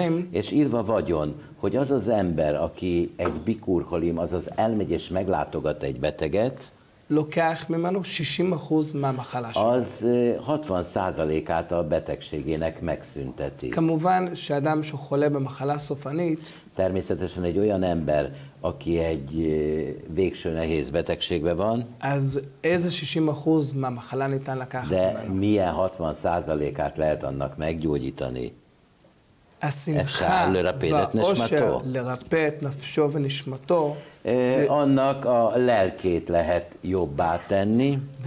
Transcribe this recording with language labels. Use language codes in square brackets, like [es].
[hu] És írva vagyon, hogy az az ember, aki egy bikurholim, azaz elmegy és meglátogat egy beteget, [he] לוקח ממנו 60% מהמחלה שלו. אז [hu] 60% át a betegségének megszünteti. [he] כמובן שאדם שחולה במחלה סופנית, [hu] természetesen egy olyan ember, aki egy végső nehéz betegségben van, [he] אז איזה 60% מהמחלה ניתן לקחת ממנו? [hu] De milyen 60%-át lehet annak meggyógyítani? [he] השמחה והאושר לרפא את נפשו ונשמתו, [hu] annak a lelkét lehet jobbá tenni.